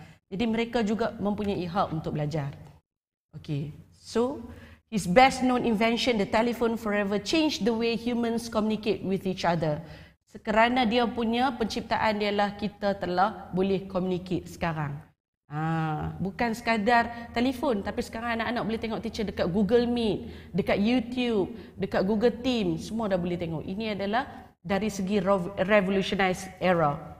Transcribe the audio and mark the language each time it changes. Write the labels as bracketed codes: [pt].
[ms] Jadi mereka juga mempunyai hak untuk belajar. [en] Okay, so his best known invention, the telephone, forever changed the way humans communicate with each other. [ms] Sekerana dia punya penciptaan, ialah kita telah boleh communicate sekarang. Bukan sekadar telefon, tapi sekarang anak-anak boleh tengok teacher dekat Google Meet, dekat YouTube, dekat Google Team, semua dah boleh tengok. Ini adalah dari segi revolutionized era.